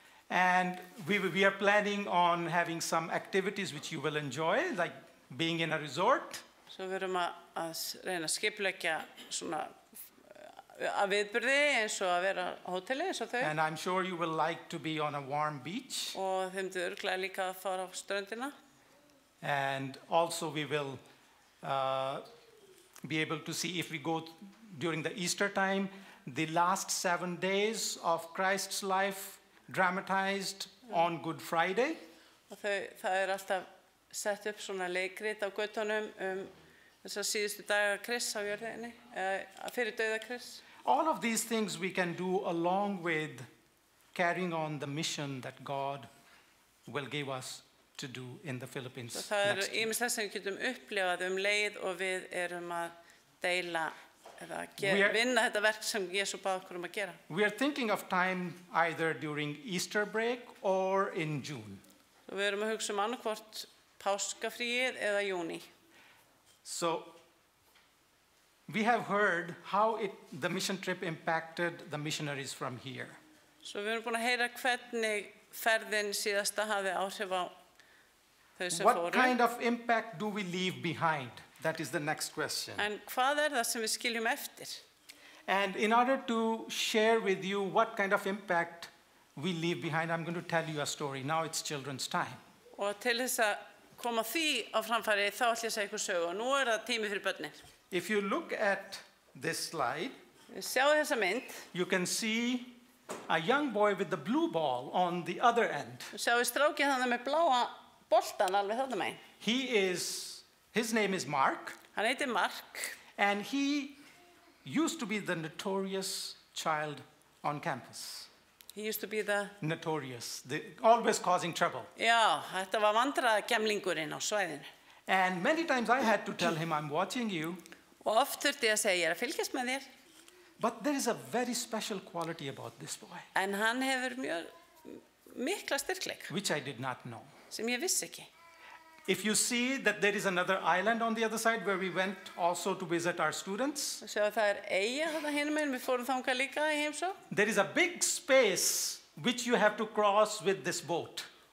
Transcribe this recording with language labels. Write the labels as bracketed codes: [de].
[en] And we are planning on having some activities which you will enjoy, like being in a resort. [is] So við erum að reyna að skipuleggja svona að viðburði eins og að vera á hóteli eins og þau. [en] And I'm sure you will like to be on a warm beach. [is] Og þau myndu örugglega líka að fara á ströndina. [en] And also we will be able to see if we go during the Easter time, the last 7 days of Christ's life dramatized on Good Friday. [is] Og það er alltaf sett upp svona leikrit á götunum þessa síðustu daga Krist á jörðinni, fyrir dauða Krist. [en] All of these things we can do along with carrying on the mission that God will give us to do in the Philippines. [is] Það ýmis þess sem getum upplifað leið og við erum að deila eða vinna þetta verk sem Jesús bað okkur að gera. [en] We are thinking of time either during Easter break or in June. [is] Við erum að hugsa annaðhvort páskafríið eða júní. [en] So we have heard how the mission trip impacted the missionaries from here. [is] So við erum búin að heyra hvernig ferðin síðasta hafði áhrif á þau sem fóru. [en] What kind of impact do we leave behind? That is the next question. [is] En hvað það sem við skiljum eftir? [en] And in order to share with you what kind of impact we leave behind, I'm going to tell you a story. Now it's children's time. [is] Og til þess að koma því á framfæri, þá ætla ég að segja ykkur sögu. Nú það tími fyrir börnin. [en] If you look at this slide, [is] sjáðu þessa mynd, [en] you can see a young boy with the blue ball on the other end. [is] Sjáðu strákinn þarna með bláa boltan alveg þarna megin. [en] His name is Mark. [is] Hann heitir Mark. [en] And he used to be the notorious child on campus. He used to be the... Notorious, the, always causing trouble. [is] Já, þetta var vandræðagemlingurinn á svæðinu. [en] And many times I had to tell him, I'm watching you. [is] Og oft þurfti að segja, ég að fylgjast með þér. [en] But there is a very special quality about this boy. [is] En hann hefur mjög mikla styrkleik. [en] Which I did not know. [is] Sem ég vissi ekki. [en] If you see that there is another island on the other side where we went also to visit our students. There is a big space which you have to cross with this boat.